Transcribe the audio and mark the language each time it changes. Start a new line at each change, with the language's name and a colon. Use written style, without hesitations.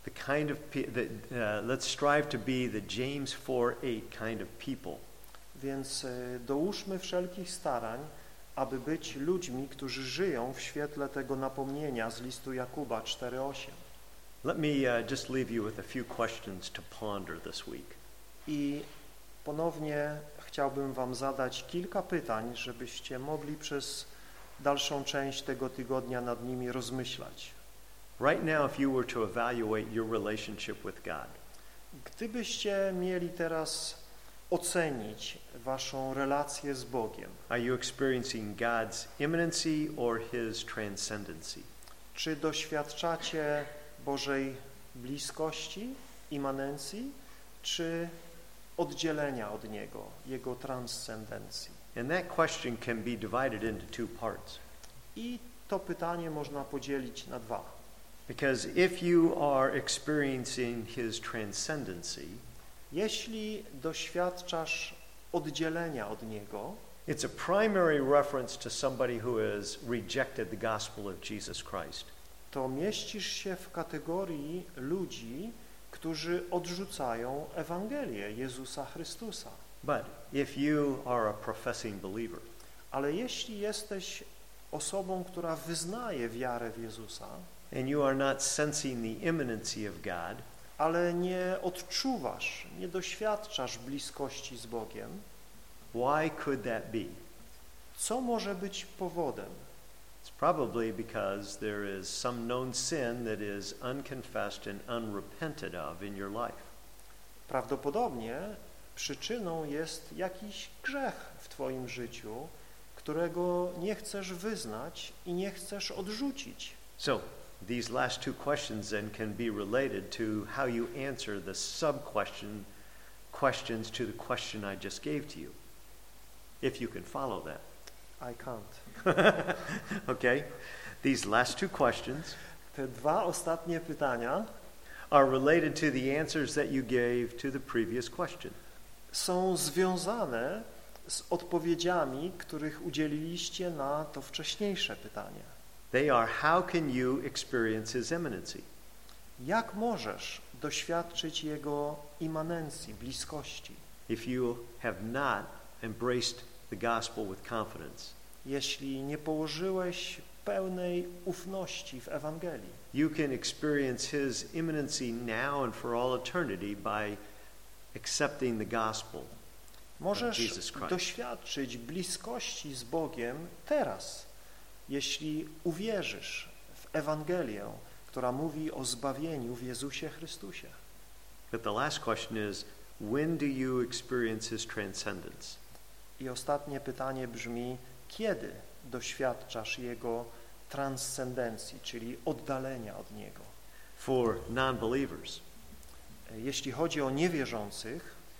English: Let's strive to be the James 4:8 kind of people.
Polish: Więc dołóżmy wszelkich starań, aby być ludźmi, którzy żyją w świetle tego napomnienia z listu Jakuba 4:8.
English: Let me just leave you with a few questions to ponder this week.
Polish: I ponownie chciałbym wam zadać kilka pytań, żebyście mogli przez dalszą część tego tygodnia nad nimi rozmyślać.
English: Right now, if you were to evaluate your relationship with God,
Polish: gdybyście mieli teraz ocenić waszą relację z Bogiem.
English: Are you experiencing God's imminency or his transcendency?
Polish: Czy doświadczacie Bożej bliskości, immanencji, czy oddzielenia od Niego, Jego transcendencji?
English: And that question can be divided into two parts.
Polish: I to pytanie można podzielić na dwa.
English: Because if you are experiencing his transcendency,
Polish: jeśli doświadczasz oddzielenia od Niego,
English: it's a primary reference to somebody who has rejected the gospel of Jesus Christ.
Polish: To mieścisz się w kategorii ludzi, którzy odrzucają Ewangelię Jezusa Chrystusa.
English: But if you are a professing believer,
Polish: ale jeśli jesteś osobą, która wyznaje wiarę w Jezusa,
English: and you are not sensing the imminency of God,
Polish: ale nie odczuwasz, nie doświadczasz bliskości z Bogiem,
English: why could that be?
Polish: Co może być powodem?
English: It's probably because there is some known sin that is unconfessed and unrepented of in your life.
Polish: Prawdopodobnie przyczyną jest jakiś grzech w twoim życiu, którego nie chcesz wyznać i nie chcesz odrzucić.
English: So, these last two questions then can be related to how you answer the sub-questions to the question I just gave to you. If you can follow that. I can't. Okay. These last two questions,
Polish: te dwa ostatnie pytania,
English: are related to the answers that you gave to the previous question.
Polish: Są związane z odpowiedziami, których udzieliliście na to wcześniejsze pytanie.
English: They are, how can you experience his immanency?
Polish: Jak możesz doświadczyć jego immanencji, bliskości?
English: If you have not embraced the gospel with confidence,
Polish: jeśli nie położyłeś pełnej ufności w Ewangelii,
English: you can experience his immanency now and for all eternity by accepting the gospel.
Polish: Możesz doświadczyć bliskości z Bogiem teraz, jeśli uwierzysz w Ewangelię, która mówi o zbawieniu w Jezusie Chrystusie.
English: But the last question is, when do you experience his transcendence?
Polish: I ostatnie pytanie brzmi, kiedy doświadczasz jego transcendencji, czyli oddalenia od niego?
English: For non-believers.
Polish: Jeśli chodzi o niewierzących,